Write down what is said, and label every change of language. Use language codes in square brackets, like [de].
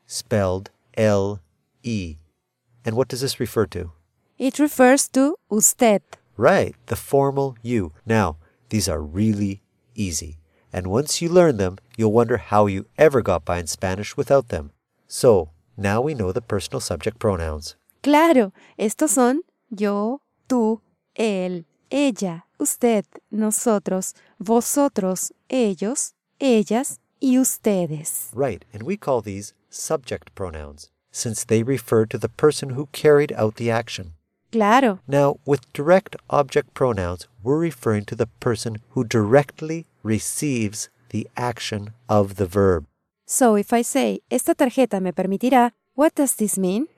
[en] Spelled L-E. And what does this refer to? It refers to usted. Right, the formal you. Now, these are really easy. And once you learn them, you'll wonder how you ever got by in Spanish without them. So, now we know the personal subject pronouns. [es] Claro, estos son yo, tú, él, ella, usted, nosotros, vosotros, ellos, ellas, y ustedes. [en] Right, and we call these subject pronouns, since they refer to the person who carried out the action. [es] Claro. [en] Now, with direct object pronouns, we're referring to the person who directly receives the action of the verb. So, if I say, [es] esta tarjeta me permitirá, [en] what does this mean?